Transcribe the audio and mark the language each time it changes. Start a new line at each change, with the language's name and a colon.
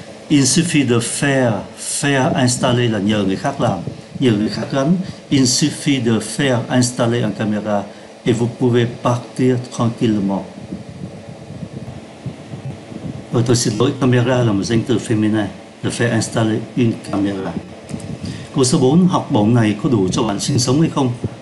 French: Il suffit de faire installer,
Vietnamese: là nhờ người khác làm, nhờ người khác gắn.
French: Il suffit de faire installer un camera et vous pouvez partir tranquillement.
Vietnamese: Tôi xin lỗi, camera là một danh từ feminin,
French: de faire installer une camera.
Vietnamese: Câu số 4, học bổng này có đủ cho bạn sinh sống hay không?